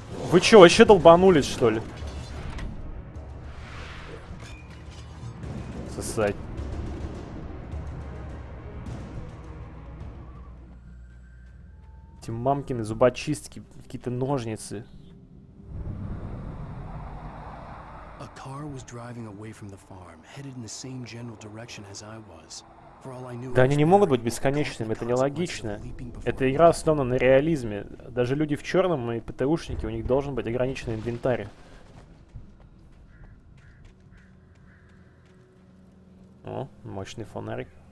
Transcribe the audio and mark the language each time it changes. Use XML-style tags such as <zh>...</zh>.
<ru>Вы чё, вообще долбанулись, что ли? Сосать. Эти мамкины зубочистки, какие-то ножницы.</ru> <en>Car was driving away from the farm, headed in the same general direction as I was. For all I knew,</en> <ru>да, они не могут быть бесконечными, это нелогично. Эта игра основана на реализме. Даже люди в черном и ПТУшники, у них должен быть ограниченный инвентарь. О, мощный фонарик.</ru>